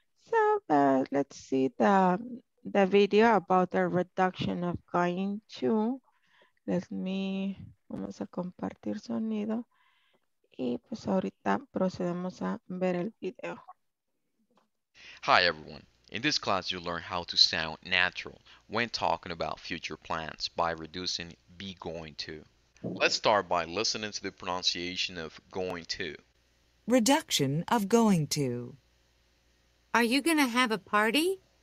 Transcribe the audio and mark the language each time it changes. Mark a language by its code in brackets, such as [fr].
[en] So, let's see the video about the reduction of going to. Let me, [es] vamos a compartir sonido. Y pues ahorita procedemos a ver el video. [en] Hi everyone. In this class you learn how to sound natural when talking about future plans by reducing be going to. Let's start by listening to the pronunciation of going to. Reduction of going to. Are you gonna have a party?